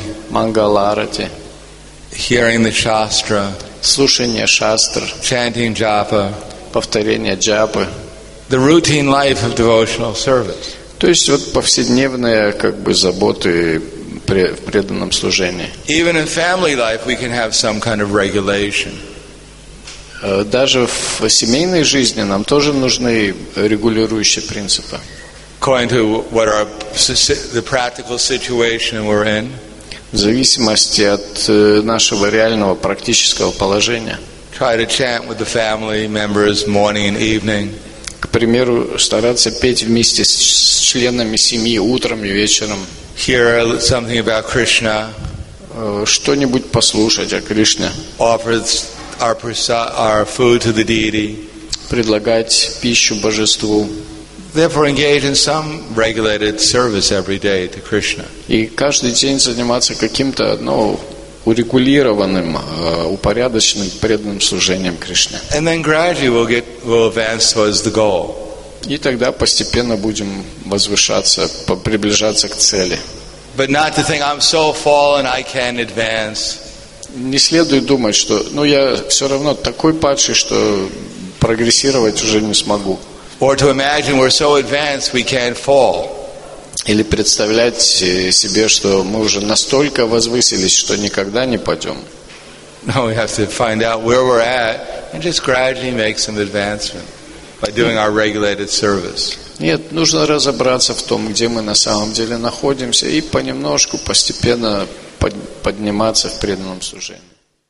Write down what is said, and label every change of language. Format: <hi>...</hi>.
<en>мангаларти, hearing the shastra,</en> <ru>слушание шастр,</ru> <en>chanting japa,</en> <ru>повторение джапы,</ru> <en>the routine life of devotional service.</en> <ru>То есть вот повседневные как бы заботы в преданном служении.</ru> <en>Even in family life we can have some kind of regulation.</en> <ru>Даже в семейной жизни нам тоже нужны регулирующие принципы.</ru> <en>According to what our the practical situation we're in.</en> <ru>В зависимости от нашего реального практического положения.</ru> <en>Try to chant with the family members morning and evening.</en> <ru>К примеру, стараться петь вместе с членами семьи утром и вечером.</ru> <en>Hear something about Krishna.</en> <ru>Что-нибудь послушать о Кришне.</ru> <en>Our food to the deity.</en> <ru>Предлагать пищу божеству.</ru> <en>Therefore, engage in some regulated service every day to Krishna.</en> <ru>И каждый день заниматься каким-то, ну, урегулированным, упорядоченным преданным служением Кришне.</ru> <en>And then gradually we'll advance towards the goal.</en> <ru>И тогда постепенно будем возвышаться, приближаться к цели.</ru> <en>But not to think I'm so fallen I can't advance.</en> <ru>Не следует думать, что, ну, я все равно такой падший, что прогрессировать уже не смогу.</ru> <en>Or to imagine we're so advanced we can't fall.</en> <ru>Или представлять себе, что мы уже настолько возвысились, что никогда не падем.</ru> <en>No, we have to find out where we're at and just gradually make some advancement by doing our regulated service.</en> <ru>Нет, нужно разобраться в том, где мы на самом деле находимся, и понемножку, постепенно подниматься в преданном служении.</ru>